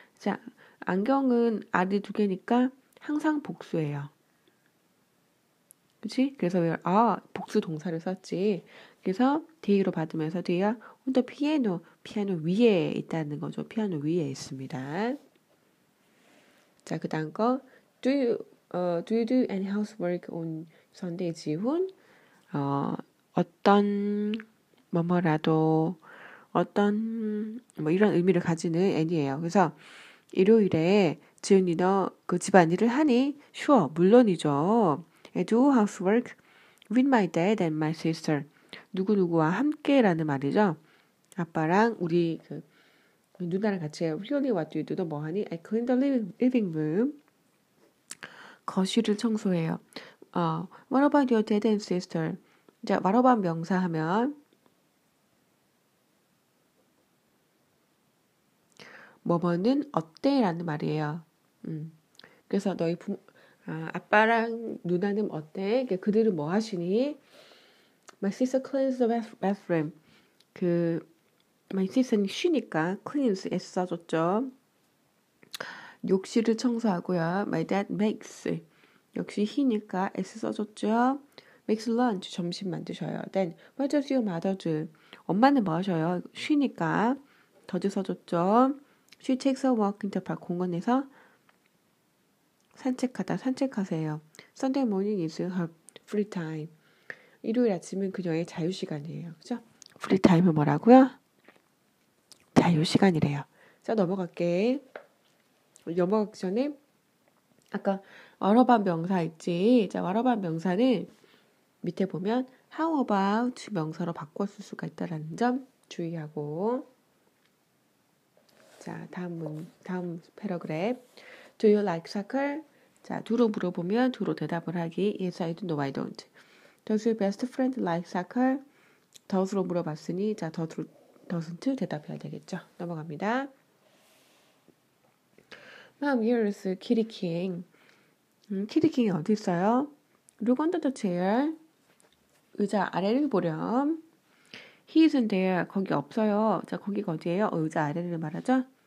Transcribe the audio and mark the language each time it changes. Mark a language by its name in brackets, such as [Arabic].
[Korean] 자, 안경은 아래 두 개니까 항상 복수예요. 그치? 그래서 where 아, 복수 동사를 썼지. 그래서 day로 받으면서 뒤에 [English] on the piano, [Korean] 피아노 위에 있다는 거죠. 피아노 위에 있습니다. 자, 그 다음 거 [English] do you do any housework on Sunday, 지훈? [Korean] 어떤 뭐뭐라도 어떤 뭐 이런 의미를 가지는 any예요. 그래서 일요일에 지훈이 너 그 집안일을 하니? [English] Sure, [Korean] 물론이죠. [English] I do housework with my dad and my sister. [Korean] 누구누구와 함께 라는 말이죠. 아빠랑 우리 그 누나랑 같이 해요. [English] Really, what do you do? [Korean] 너 뭐하니? [English] I clean the living room. [Korean] 거실을 청소해요. [English] What about your dad and sister? [Korean] 자, [English] what about [Korean] 명사하면 뭐뭐는 어때? 라는 말이에요. 그래서 너희 아빠랑 누나는 어때? 그러니까 그들은 뭐 하시니? [English] My sister cleans the bathroom. [Korean] 그 My sister는 쉬니까 cleans, S 써줬죠. 욕실을 청소하고요. [English] My dad makes. [Korean] 역시 he니까 S 써줬죠. [English] Makes lunch, [Korean] 점심 만드셔요. [English] Then, what does your mother do? [Korean] 엄마는 뭐 하셔요? 쉬니까 does 써줬죠. [English] She takes a walk in the park, [Korean] 공원에서 산책하다, 산책하세요. [English] Sunday morning is her free time. [Korean] 일요일 아침은 그녀의 자유시간이에요. 그죠? Free time은 뭐라고요? 자유시간이래요. 자, 넘어갈게. 넘어가기 전에 아까 what about 명사 있지? 자, what about 명사는 밑에 보면 how about 명사로 바꿨을 수가 있다라는 점 주의하고 자, 다음 패러그랩 [English] Do you like soccer? [Korean] 자, 두로 물어보면 두로 대답을 하기 [English] Yes, I do. No, I don't. Does your best friend like soccer? [Korean] Does로 물어봤으니 자, doesn't 대답해야 되겠죠. 넘어갑니다. [English] Mom, here is Kitty King. [Korean] Kitty King이 어디 있어요? [English] Look under the chair. [Korean] 의자 아래를 보렴. [English] He isn't there. [Korean] 거기 없어요. 자, 거기가 어디예요? 의자 아래를 말하죠.